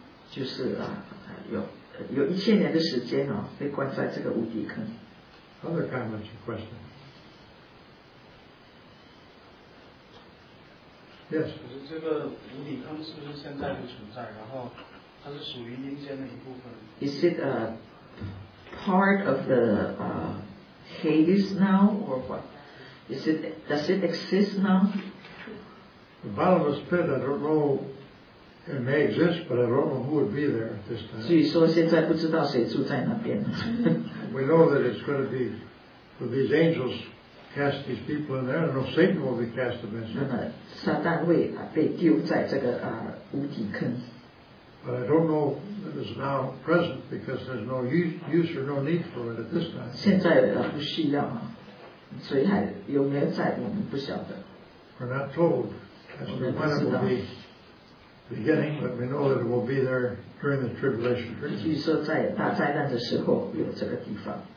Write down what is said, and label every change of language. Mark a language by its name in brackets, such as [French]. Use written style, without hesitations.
[Chinese] 就是有一千年的时间被关在这个无底坑。 [English] Other comments or questions? Yes. [Chinese] 可是这个无底坑是不是现在不存在？然后它是属于阴间的一部分。 [English] Is it a part of the Hades now or what? Does it exist now? The bottomless pit, I don't know. It may exist, but I don't know who would be there at this time. [Chinese] 所以说现在不知道谁住在那边。 [English] We know that it's going to be for these angels cast his people in there. I don't know if Satan will be cast eventually. [Chinese] 那么撒旦会被丢在这个无底坑。 [English] But I don't know if it's now present because there's no use or no need for it at this time. [Chinese] 现在不需要啊，所以还有没有在我们不晓得。 [English] We're not told. As we find it will be beginning, but we know that it will be there during the tribulation period. [Chinese] 据说在大灾难的时候有这个地方。